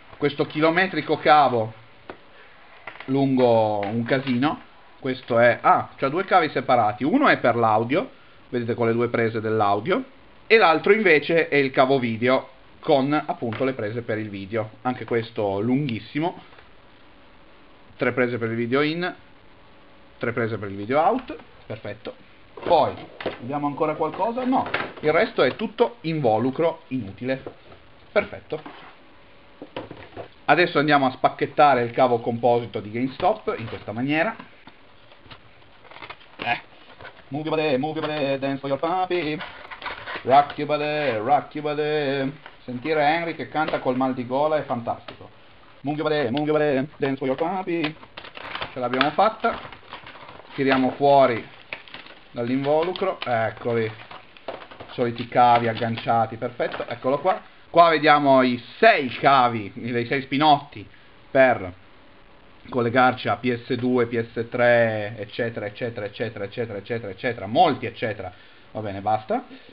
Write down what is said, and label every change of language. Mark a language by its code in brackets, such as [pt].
[it] Questo chilometrico cavo lungo un casino, questo è, ah, c'ha due cavi separati, uno è per l'audio, vedete con le due prese dell'audio, e l'altro invece è il cavo video con appunto le prese per il video, anche questo lunghissimo, tre prese per il video in, tre prese per il video out, perfetto. Poi vediamo ancora qualcosa, no, il resto è tutto involucro inutile, perfetto. Adesso andiamo a spacchettare il cavo composito di GameStop in questa maniera. [en] Move your body, move your body, dance for your puppy. Rock your body, rock your body. [it] Sentire Henry che canta col mal di gola è fantastico. [en] Move your body, dance for your puppy. [it] Ce l'abbiamo fatta. Tiriamo fuori dall'involucro. Eccoli. Soliti cavi agganciati, perfetto. Eccolo qua. Qua vediamo i sei cavi, i sei spinotti per collegarci a PS2, PS3, eccetera, eccetera, eccetera, eccetera, eccetera, eccetera, molti eccetera. Va bene, basta.